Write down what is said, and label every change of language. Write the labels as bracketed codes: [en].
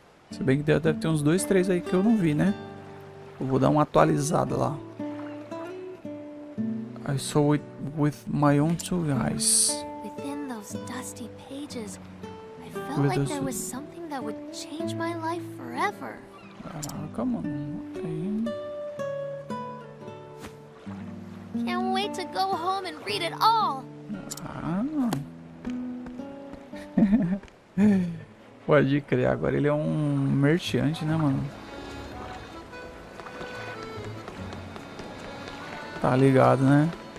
[pt] Se bem que deve ter uns dois, três aí que eu não vi, né? Eu vou dar uma atualizada lá. [en] I saw it with my own two eyes. Within those dusty pages, I felt like there was something that would change my life forever. Ah, come on. Can't wait to go home and read it all. Ah. [pt] Pode crer, agora ele é um merchante, né, mano? Tá ligado, né?